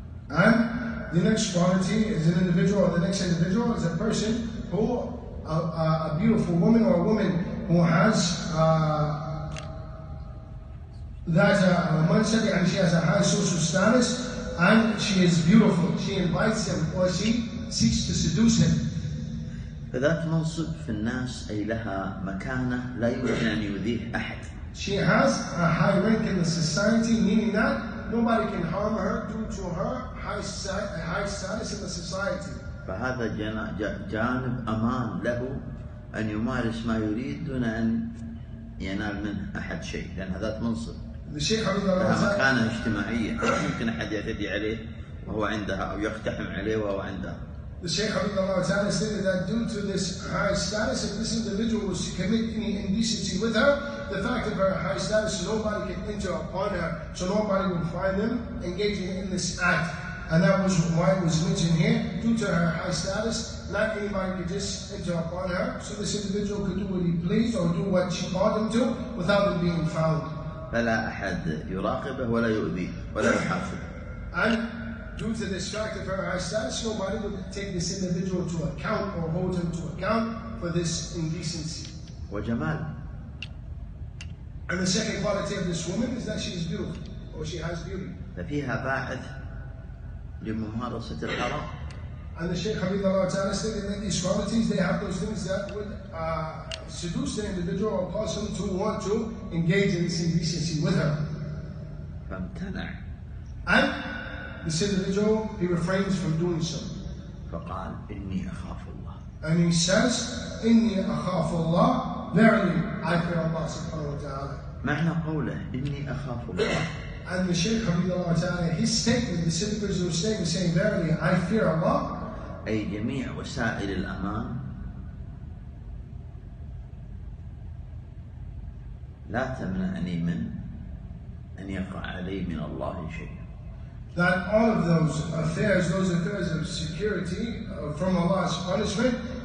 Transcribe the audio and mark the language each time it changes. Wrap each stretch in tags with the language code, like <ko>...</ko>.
<en>And the next quality is an individual, or the next individual is a person who, a beautiful woman or a woman who has that mansab, and she has a high social status, and she is beautiful. She invites him, or she seeks to seduce him.</en> <ar>فذات منصب في الناس أي لها مكانة لا يمكن أن يؤذيه أحد.</ar> <en>She has a high rank in the society, meaning that nobody can harm her due to her high status in the society.</en> <ar>فهذا جانب أمان له أن يمارس ما يريد دون أن ينال منه أحد شيء لأن هذا منصب. لها مكانة اجتماعية يمكن أحد يعتدي عليه وهو عندها أو يقتحم عليه وهو عندها.</ar> <en>The Shaykh Hafidhullah Ta'ala stated that due to this high status, if this individual was to commit any indecency with her, the fact of her high status, nobody can enter upon her, so nobody would find them engaging in this act. And that was why it was mentioned here, due to her high status, not anybody could just enter upon her, so this individual could do what he pleased or do what she called him to without them being found.</en> <ar>فلا أحد يراقبه ولا يؤذيه ولا يحافظه.</ar> <en>Due to this fact of her high status, nobody would take this individual to account or hold him to account for this indecency.</en> <ar>وجمال.</ar> <en>And the second quality of this woman is that she is beautiful, or she has beauty.</en> <ar>ففيها باعث لممارسة الحرام.</ar> <en>And the Shaykh Hafidhullah Ta'ala stated that these qualities, they have those things that would seduce the individual or cause him to want to engage in this indecency with her.</en> <ar>فامتنع.</ar> <en>And this individual, he refrains from doing so.</en> <ar>فقال إني أخاف الله.</ar> <en>And he says,</en> <ar>إني أخاف الله.</ar> <en>Verily, I fear Allah سبحانه وتعالى.</en> <ar>معنى قوله إني أخاف الله.</ar> <en>And the Shaykh Hafidhullah Ta'ala, his statement, the syllables of statement saying, verily, I fear Allah.</en> <ar>أي جميع وسائل الأمان لا تمنعني من أن يقع علي من الله شيء.</ar> <en>That all of those affairs of security from Allah's punishment,</en>